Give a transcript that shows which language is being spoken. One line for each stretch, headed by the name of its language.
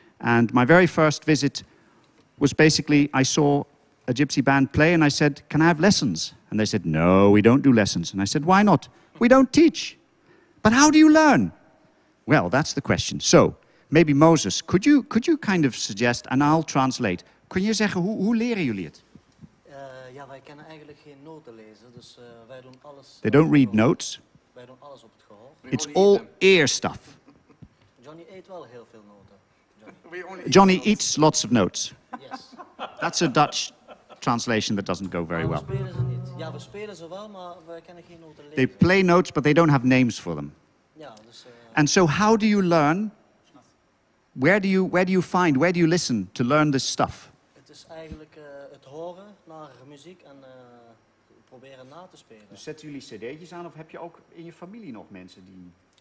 English: And my very first visit was basically, I saw a gypsy band play and I said, can I have lessons? And they said, no, we don't do lessons. And I said, why not? We don't teach. But how do you learn? Well, that's the question. So, maybe Moses, could you kind of suggest, and I'll translate.
Dutch: Kun je zeggen, hoe leren jullie het? Ja, wij kennen eigenlijk geen noten lezen, dus wij doen alles...
English: They don't read notes.
Dutch: Wij doen alles op het gehoor.
English: It's all ear stuff.
Dutch: Johnny eet wel heel veel noten.
English: Johnny eats lots of notes. Yes. That's a Dutch translation that doesn't go very well.
Dutch: Maar we spelen ze niet. Ja, we spelen ze wel, maar wij kennen geen noten lezen.
English: They play notes, but they don't have names for them.
Dutch: Ja, dus...
English: And so how do you learn? Where do you find, where do you listen to learn this stuff?
Dutch: Het is eigenlijk het horen naar muziek en proberen na te spelen. Dus zetten jullie cd'tjes aan of heb je ook in je familie nog mensen die...